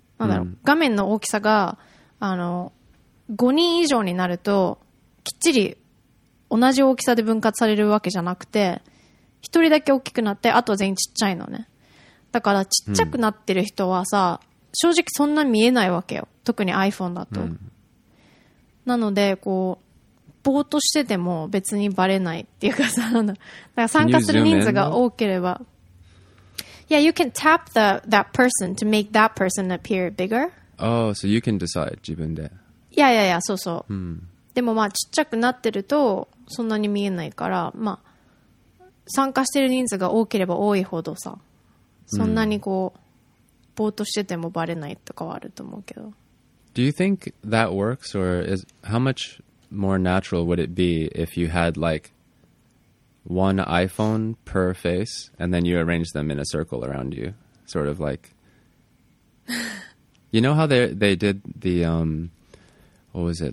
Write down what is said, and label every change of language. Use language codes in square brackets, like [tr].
[ja] なんだろう、画面の大きさが、5人以上になると、きっちり同じ大きさで分割されるわけじゃなくて、一人だけ大きくなって、あとは全員ちっちゃいのね。だからちっちゃくなってる人はさ、正直そんな見えないわけよ。特に iPhone だと。なので、こう、ぼーっとしてても別にバレないっていうかさ、だから参加する人数が多ければ。 [en] Yeah, you can tap that person to make that person appear bigger. Oh, so you can decide [ja] 自分で。いやいやいや、そうそう。でもまあちっちゃくなってるとそんなに見えないから、まあ、参加してる人数が多ければ多いほどさ、そんなにこう、ぼーっとしててもバレないとかはあると思うけど。 [en] Do you think that works, or is how much more natural would it be if you had like one iPhone per face and then you arrange them in a circle around you? Sort of like, you know how they did the, what was it?